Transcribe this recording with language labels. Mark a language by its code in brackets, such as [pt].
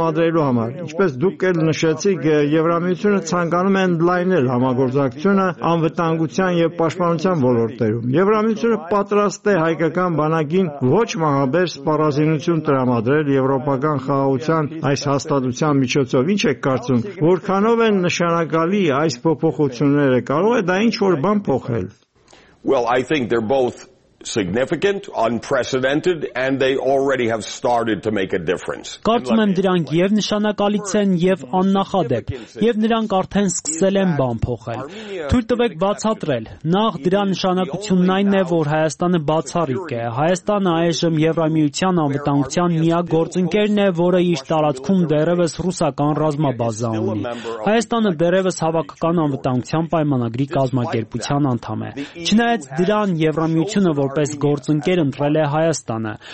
[hy] տրամադրելու համար։ Ինչպես դուք էլ նշեցիք, Եվրամիությունը ցանկանում է ընդլայնել համագործակցությունը անվտանգության և պաշտպանության ոլորտներում։ Եվրամիությունը պատրաստ է հայկական բանակին ոչ մահաբեր սպառազինություն տրամադրել Եվրոպական Խաղաղության այս հաստատության միջոցով։ Ինչ եք կարծում, որքանով են նշանակալի այս փոփոխությունները, կարող է դա ինչ-որ բան փոխել։ [en] Well, I think they're both significant, unprecedented, and they already have started to make a difference. [hy] Կարծում եմ դրանք եւ նշանակալից են եւ աննախադեպ, եւ նրանք արդեն սկսել են բան փոխել։ Թույլ տվեք բացատրել։ Նախ դրա նշանակությունն այն է, որ Հայաստանը բացառիկ է։ Հայաստանը այժմ Եվրամիության անվտանգության միակ գործընկերն է, որը իր տարածքում դեռևս ռուսական ռազմաբազա ունի։ Հայաստանը դեռևս հավաքական անվտանգության պայմանագրի կազմակերպության անդամ է։ Չնայած դրան, Եվրամիությունը որպես գործընկեր ընտրել է Հայաստանը։